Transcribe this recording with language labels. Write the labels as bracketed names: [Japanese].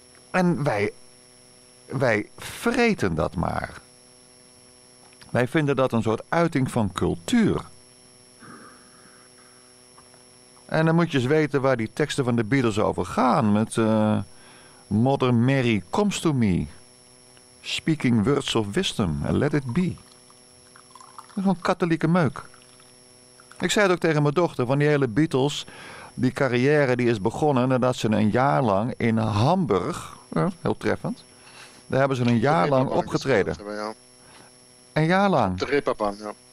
[Dutch] En wij vreten dat maar. Wij vinden dat een soort uiting van cultuur. En dan moet je eens weten waar die teksten van de Beatles over gaan. Met [English] Mother Mary comes to me. Speaking words of wisdom and let it be. [Dutch] Dat is een katholieke meuk. Ik zei het ook tegen mijn dochter van die hele Beatles. Die carrière die is begonnen nadat ze een jaar lang in Hamburg. Heel treffend. Daar hebben ze een jaar lang opgetreden. Een jaar lang. De Reeperbahn, ja.